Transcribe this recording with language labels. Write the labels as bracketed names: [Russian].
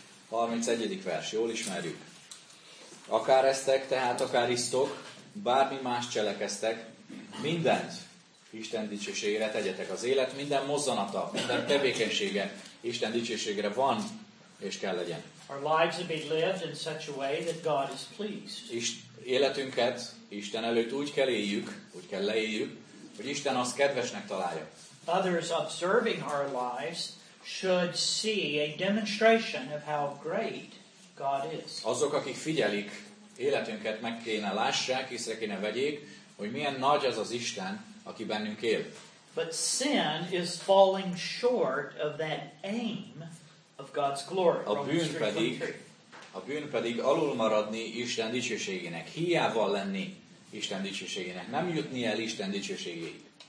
[Hungarian] 1 Corinthians 10:31. Jól ismerjük. Akár esztek, tehát akár isztok, bármi más cselekeztek, mindent Isten dicsőségére tegyetek. Az élet minden mozzanata, minden tevékenysége Isten dicsőségére van és kell legyen. [English] Our lives be lived in such a way that God is pleased. [Hungarian] Életünket Isten előtt úgy kell éljük, úgy kell leéljük, hogy Isten azt kedvesnek találja. [English] Others observing our lives should see a demonstration of how great God is. [Hungarian] Azok, akik figyelik életünket, meg kéne lássák, észre kéne vegyék, hogy milyen nagy az az Isten, aki bennünk él. [English] But sin is falling short of that aim of God's glory. [Hungarian] A bűn pedig alulmaradni Isten dicsőségének, hiával lenni Isten dicsőségének, nem jutni el Isten dicsőségéig.